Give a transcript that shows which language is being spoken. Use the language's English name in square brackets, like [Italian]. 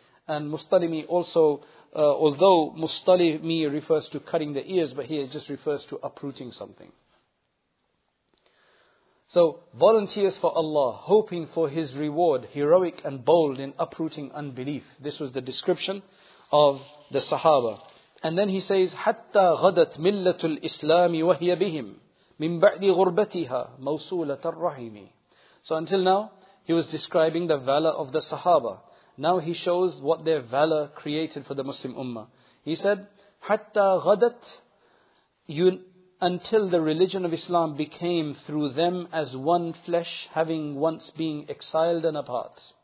[English] And mustalimi also, although mustalimi refers to cutting the ears, but here it just refers to uprooting something. So, volunteers for Allah, hoping for His reward, heroic and bold in uprooting unbelief. This was the description of the Sahaba. And then he says, [Arabic] حَتَّى غَدَتْ مِلَّةُ الْإِسْلَامِ وَهِيَ بِهِمْ مِنْ بَعْدِ غُرْبَتِهَا مَوْصُولَةَ الرَّحِيمِ. [English] So until now, he was describing the valor of the Sahaba. Now he shows what their valor created for the Muslim Ummah. He said, [Arabic] حَتَّى غَدَتْ [English] until the religion of Islam became through them as one flesh, having once been exiled and apart.